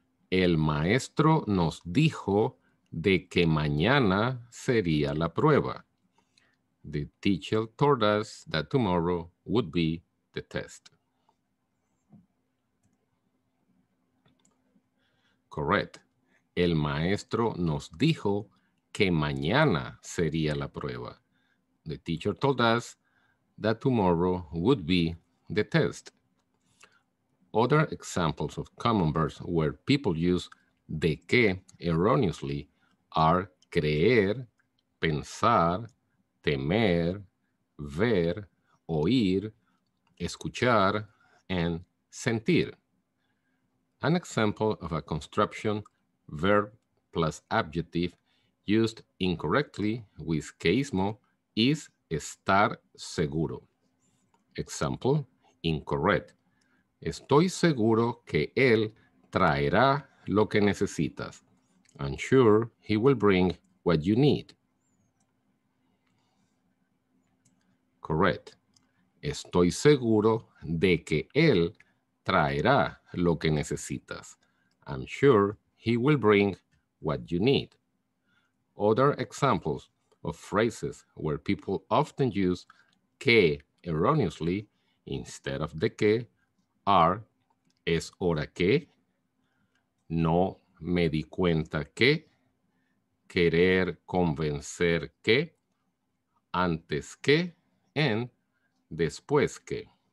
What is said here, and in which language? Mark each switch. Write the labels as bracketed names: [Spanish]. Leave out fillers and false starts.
[Spanish] El maestro nos dijo de que mañana sería la prueba. [English] The teacher told us that tomorrow would be the test. Correct. [Spanish] El maestro nos dijo que mañana sería la prueba. [English] The teacher told us that tomorrow would be the test. Other examples of common verbs where people use de que erroneously are creer, pensar, temer, ver, oír, escuchar, and sentir. An example of a construction verb plus adjective used incorrectly with queísmo is estar seguro. Example, incorrect. [Spanish] Estoy seguro que él traerá lo que necesitas. [English] I'm sure he will bring what you need. Correct. [Spanish] Estoy seguro de que él traerá lo que necesitas. [English] I'm sure he will bring what you need. Other examples of phrases where people often use que erroneously instead of de que are es hora que, [Spanish] no me di cuenta que, querer convencer que, [English] antes que, and después que.